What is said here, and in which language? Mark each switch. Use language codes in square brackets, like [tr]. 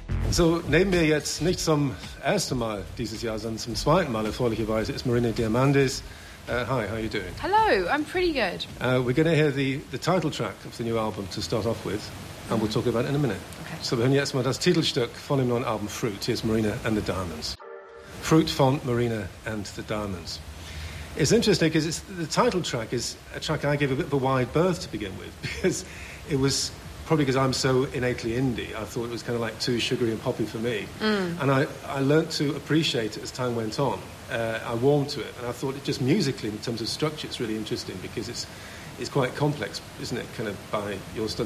[de] So, nehmen wir jetzt nicht zum ersten Mal dieses Jahr, sondern zum zweiten Mal, erfreulicherweise, ist Marina Diamandis. [en] Hi, how are you doing? Hello, I'm pretty good. We're going to hear the title track of the new album to start off with, and we'll talk about it in a minute. Okay. [de] So, wir hören jetzt mal das Titelstück von dem neuen Album Fruit. Hier ist Marina and the Diamonds. Fruit von Marina and the Diamonds. [en] It's interesting because the title track is a track I gave a bit of a wide berth to begin with, because it was probably because I'm so innately indie, I thought it was kind of like too sugary and poppy for me. Mm. And I learned to appreciate it as time went on. I warmed to it, and I thought it just musically, in terms of structure, it's really interesting because it's quite complex, isn't it, kind of by your style.